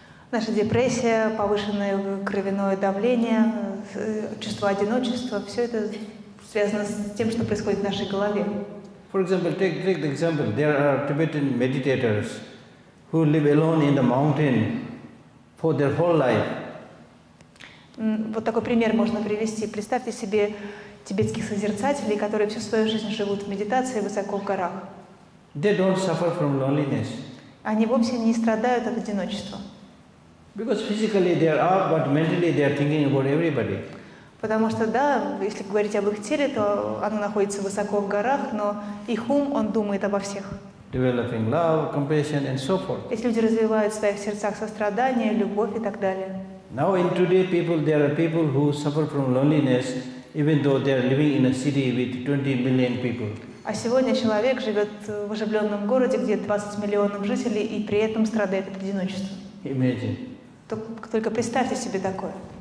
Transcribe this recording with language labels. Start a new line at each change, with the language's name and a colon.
Russian: Наша депрессия, повышенное кровяное давление, чувство одиночества — все это связано с тем, что происходит в нашей голове.
English: For example, take the example. There are Tibetan meditators who live alone in the mountain for their whole life.
Russian: Вот такой пример можно привести. Представьте себе тибетских созерцателей, которые всю свою жизнь живут в медитации высоко в горах.
English: They don't suffer from loneliness.
Russian: Они вовсе не страдают от одиночества.
English: Because physically they are up, but mentally they are thinking about everybody.
Russian: Потому что, да, если говорить об их теле, то оно находится высоко в горах, но их ум, он думает обо всех.
English: Developing love, compassion, and so forth.
Russian: Если люди развивают в своих сердцах сострадание, любовь и так далее.
English: Now in today people, there are people who suffer from loneliness, even though they are living in a city with 20 million people.
Russian: А сегодня человек живет в оживленном городе, где 20 миллионов жителей, и при этом страдает от одиночества.
English: Imagine.
Russian: Только представьте себе такое.